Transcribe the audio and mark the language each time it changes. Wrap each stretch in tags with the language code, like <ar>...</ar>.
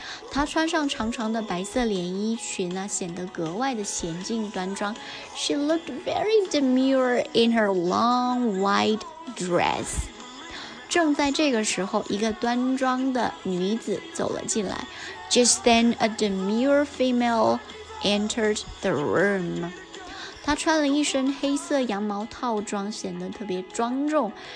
<zh>她穿上长长的白色连衣裙啊，显得格外的娴静端庄。</zh> <en>She looked very demure in her long white dress.</en> <zh>正在这个时候，一个端庄的女子走了进来。</zh> <en>Just then, a demure female entered the room.</en> <zh>她穿了一身黑色羊毛套装，显得特别庄重。</zh>